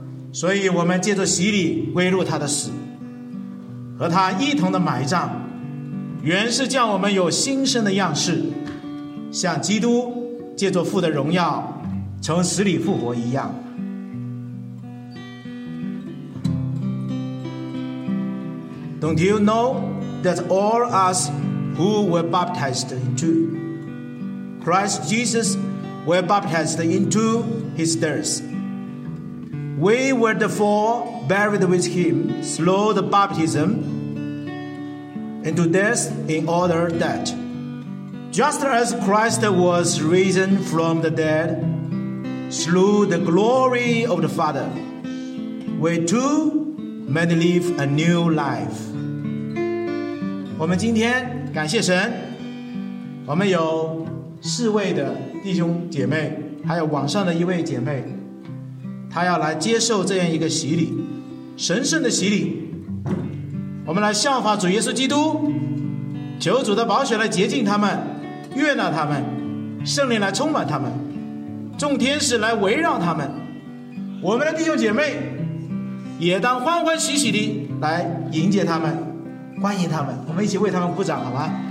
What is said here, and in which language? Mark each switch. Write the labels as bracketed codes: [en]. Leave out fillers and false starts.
[zh] 所以我们借着洗礼归入他的死，和他一同的埋葬，原是叫我们有新生的样式，像基督借着父的荣耀从死里复活一样。 [en] Don't you know that all us who were baptized into Christ Jesus were baptized into his death? We were therefore buried with him through the baptism into death, in order that, just as Christ was risen from the dead through the glory of the Father, we too may live a new life. [zh] 我们今天感谢神，我们有四位的弟兄姐妹，还有网上的一位姐妹，她要来接受这样一个洗礼，神圣的洗礼。我们来效法主耶稣基督，求主的宝血来洁净他们，悦纳他们，圣灵来充满他们，众天使来围绕他们，我们的弟兄姐妹也当欢欢喜喜地来迎接他们，欢迎他们，我们一起为他们鼓掌好吗？